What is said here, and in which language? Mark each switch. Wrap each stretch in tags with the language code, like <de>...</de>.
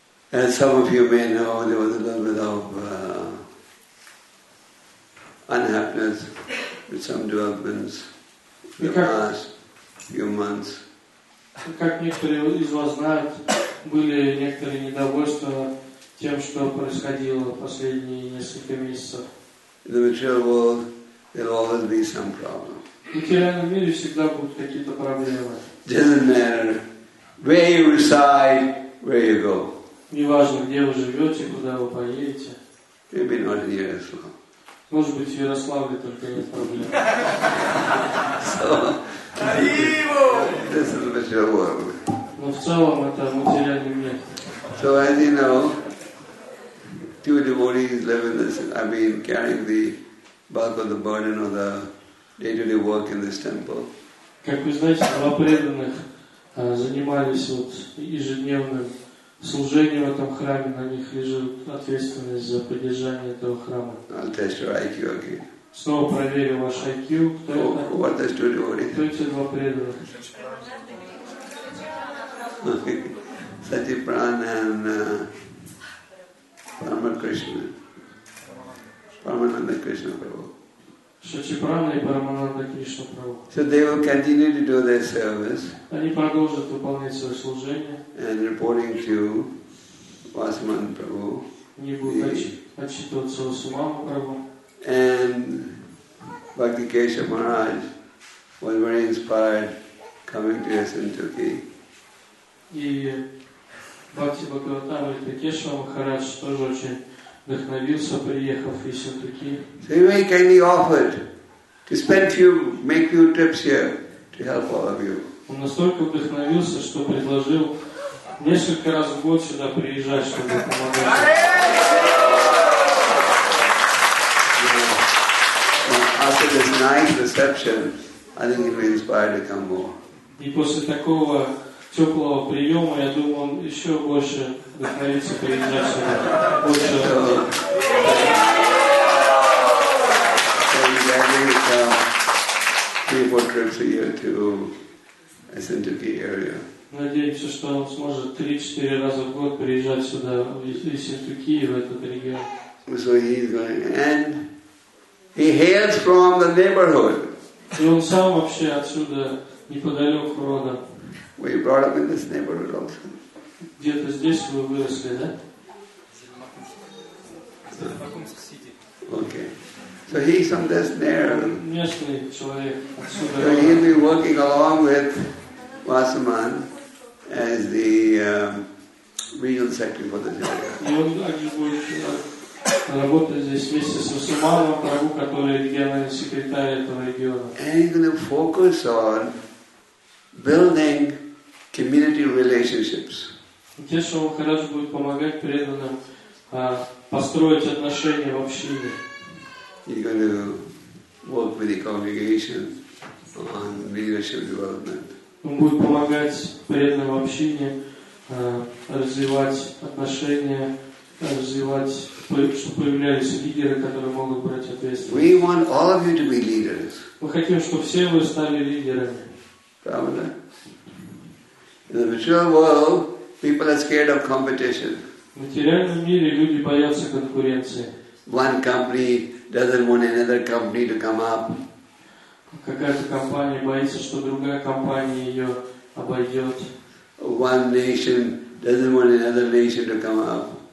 <en>And some of you may know there was a little bit of unhappiness with some developments in the past few months.</en> <ru>Как некоторые из вас знают, были некоторые недовольства тем, что происходило последние несколько месяцев.</ru> <en>In the material world, there'll always be some problem.</en> <ru>В материальном мире всегда будут какие-то проблемы.</ru> <en>Doesn't matter where you reside, where you go.</en> <ru>Неважно, где вы живете, куда вы поедете.</ru> <en>Maybe not in Ярославле.</en> <ru>Может быть, в Ярославле только нет проблем.</ru> <en>This is the material world.</en> <ru>Но в целом это материальный мир.</ru> <en>So as you know, two devotees live in this, carrying the bulk of the burden of the day-to-day work in this temple.</en> <ru>Как вы знаете, два преданных занимались вот ежедневным служением в этом храме, на них лежит ответственность за поддержание этого храма.</ru> <en>I'll test your IQ again.</en> <ru>Снова проверю ваш IQ. Кто это?</ru> <en>Who are the two devotees?</en> <ru>Кто эти два преданных?</ru> <en>Satipran and Paramakrishna. Paramananda Krishna Prabhu. Satipran and Paramananda Krishna Prabhu. So they will continue to do their service.</en> <ru>Они продолжат выполнять свое служение.</ru> <en>And reporting to Vasuman Prabhu.</en> <ru>Они будут отчитываться Васуман Прабху.</ru> <en>And Bhakti Kesha Maharaj was very inspired coming to us in Turkey.</en> <ru>И Бхакти Бхагаватама и Кешава Махарадж тоже очень вдохновился, приехав из Сентуки.</ru> <en>So he made kindly offered to spend few, make few trips here to help all of you.</en> <ru>Он настолько вдохновился, что предложил несколько раз в год сюда приезжать, чтобы помогать.</ru> <en>After this nice reception, I think he'll be inspired to come more.</en> <ru>И после такого теплого приема, я думаю, он еще больше вдохновится приезжать сюда. Больше.</ru> <en>So he's having three or four trips a year to Essentuki area.</en> <ru>Надеемся, что он сможет 3-4 раза в год приезжать сюда, в Essentuki, в этот регион.</ru> <en>So he's going, and he hails from the neighborhood.</en> <ru>И он сам вообще отсюда, неподалеку рода.</ru> <en>We brought up in this neighborhood also.</en> <ru>Где-то здесь вы выросли, да?</ru> <en>Okay. So he's from this neighborhood.</en> <ru>Местный человек.</ru> <en>So he'll be working along with Vasuman as the regional secretary for the area.</en> <ru>И он также будет работать здесь вместе с Васуманом Прабху, который региональный секретарь этого региона.</ru> <en>And he's going to focus on building community relationships.</en> <ru>Кешава Махарадж будет помогать преданным построить отношения в общине.</ru> <en>He's going to work with the congregation on leadership development.</en> <ru>Он будет помогать преданным в общине развивать отношения, развивать, чтобы появлялись лидеры, которые могут брать ответственность.</ru> <en>We want all of you to be leaders.</en> <ru>Мы хотим, чтобы все вы стали лидерами. Правда?</ru> <en>In the material world, people are scared of competition.</en> <ru>В материальном мире люди боятся конкуренции.</ru> <en>One company doesn't want another company to come up.</en> <ru>Какая-то компания боится, что другая компания ее обойдет.</ru> <en>One nation doesn't want another nation to come up.</en>